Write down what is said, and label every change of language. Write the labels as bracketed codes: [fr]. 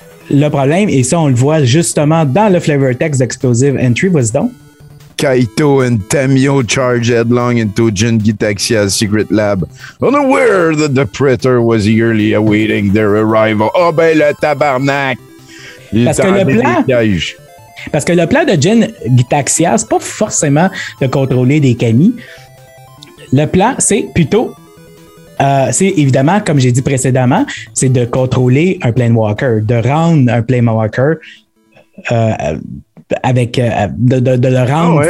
[fr] Le problème, et ça, on le voit justement dans le Flavor Text d'Explosive Entry, vas-y donc. [en] Kaito and Taimyo charge headlong into Jin Gitaxias' secret lab, unaware that the Praetor was eagerly awaiting their arrival. [fr] Oh ben le tabarnak! Parce que le plan de Jin Gitaxias, pas forcément de contrôler des Kami. Le plan, c'est plutôt, c'est évidemment, comme j'ai dit précédemment, c'est de contrôler un Planeswalker, de rendre un Planeswalker avec de le rendre.